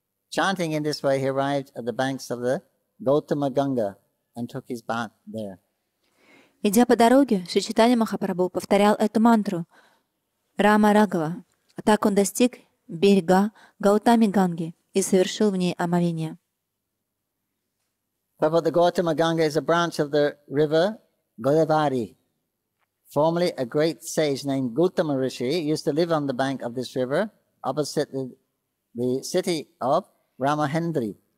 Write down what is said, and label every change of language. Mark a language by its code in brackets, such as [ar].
[en] Chanting in this way, he arrived at the banks of the Gautama Ganga. And took his bath there. [ru] Идя по дороге, Шри Чайтанья Махапрабху повторял эту мантру Рама Рагава. Так он достиг берега Гаутами Ганги и совершил в ней омовение. [en] But the Gautama Ganga is a branch of the river Godavari. Formerly a great sage named Gautama Rishi used to live on the bank of this river opposite the city of Ramahendri.